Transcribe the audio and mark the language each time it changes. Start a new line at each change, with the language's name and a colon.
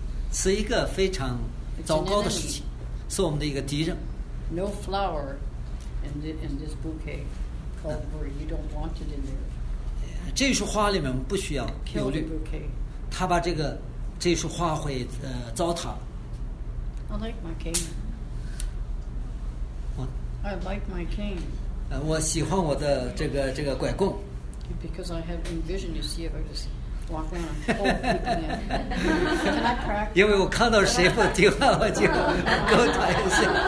Chinese: 是一个非常糟糕的事情，是我们的一个敌人。
English: No flower in this bouquet called worry. You don't want it in there.
Chinese: 这束花里面不需要忧虑。他把这束花会糟蹋。
English: I like my cane. I like my cane.
Chinese: 我喜欢我的这个拐棍。
English: Because I have envisioned to see if I just walk around and pull people in. Can I practice?
Chinese: 因为我看到谁不听话，我就跟我谈一下。